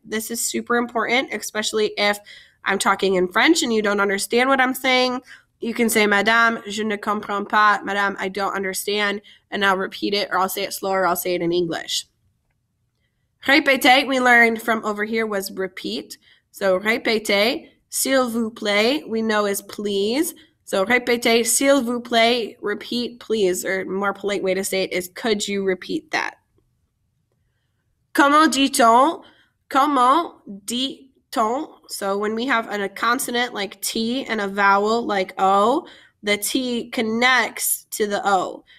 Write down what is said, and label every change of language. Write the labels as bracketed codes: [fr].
[en] This is super important, especially if I'm talking in French and you don't understand what I'm saying. You can say, [fr] Madame, je ne comprends pas. [en] Madame, I don't understand. And I'll repeat it, or I'll say it slower, or I'll say it in English. [fr] Répétez, [en] we learned from over here, was repeat. So [fr] répétez, s'il vous plaît, [en] we know is please. [fr] So répétez, s'il vous plaît, [en] repeat, please. Or more polite way to say it is, could you repeat that? [fr] Comment dit-on? Comment dit-on? [en] So when we have a consonant like T and a vowel like O, the T connects to the O.